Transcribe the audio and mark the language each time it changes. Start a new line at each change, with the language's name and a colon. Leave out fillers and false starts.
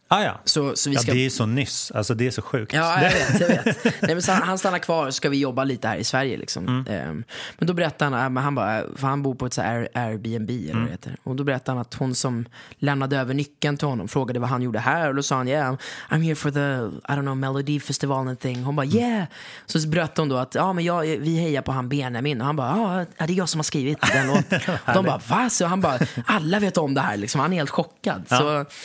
Swedish: Ah, ja. Så vi ska... Ja, det är ju så nyss. Alltså, det är så sjukt. Ja, jag vet. Nej, men så han stannade kvar och ska vi jobba lite här i Sverige, liksom. Mm. Men då berättar han bara... För han bor på ett så här Airbnb, eller vad det heter. Och då berättar han att hon som lämnade över nyckeln till honom frågade vad han gjorde här. Och då sa han,
English: yeah, I'm here for the, I don't know, Melody Festival and thing.
Swedish: Hon bara, yeah! Så bröt hon då att, ja, men vi hejar på han Benjamin. Och han bara, ja, det är jag som har skrivit den. Och de bara, va? Så han bara, alla vet om det här, liksom. Han är helt chockad. Ja.